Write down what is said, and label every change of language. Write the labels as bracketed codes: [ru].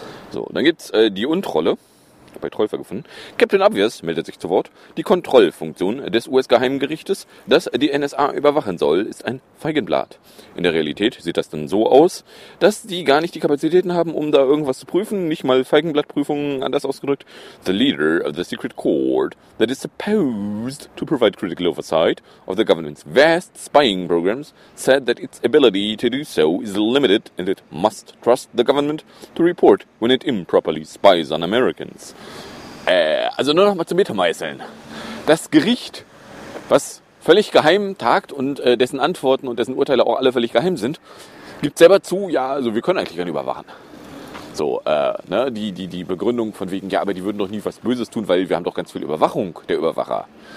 [de] So, dann gibt's die Untrolle. Bei Troll vergefunden. Captain Obvious meldet sich zu Wort. Die Kontrollfunktion des US-Geheimgerichtes, das die NSA überwachen soll, ist ein Feigenblatt. In der Realität sieht das dann so aus, dass die gar nicht die Kapazitäten haben, um da irgendwas zu prüfen. Nicht mal Feigenblattprüfungen, anders ausgedrückt. [en] The leader of the secret court that is supposed to provide critical oversight of the government's vast spying programs said that its ability to do so is limited and it must trust the government to report when it improperly spies on Americans. [de] Also nur noch mal zum Mittermeißeln. Das Gericht, was völlig geheim tagt und dessen Antworten und dessen Urteile auch alle völlig geheim sind, gibt selber zu, ja, also wir können eigentlich gar nicht überwachen. So, die Begründung von wegen, ja, aber die würden doch nie was Böses tun, weil wir haben doch ganz viel Überwachung, der Überwacher.